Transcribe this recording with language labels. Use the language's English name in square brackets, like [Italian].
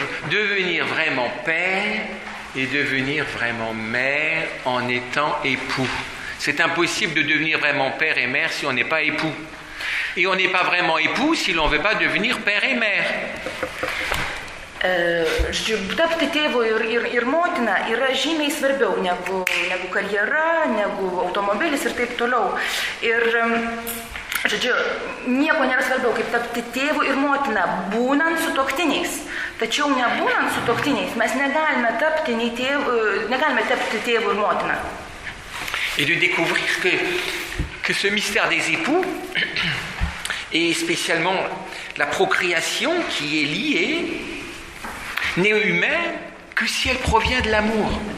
[French] Devenir vraiment père et devenir vraiment mère en étant époux. C'est impossible de devenir vraiment père et mère si on n'est pas époux. Et on n'est pas vraiment époux si l'on ne veut pas devenir père et mère. [Lithuanian] Tapti tėvu ir motina yra žymiai svarbiau negu karjera, negu automobilis ir taip toliau. Ir, žodžiu, nieko nėra svarbiau, kaip tapti tėvu ir motina, būnant su toktiniais. Tačiau nebūnant su toktiniais, mes negalime tapti tėvu ir motina. [French] Et de découvrir que ce mystère des époux, et spécialement la procréation qui est liée, n'est humain que si elle provient de l'amour.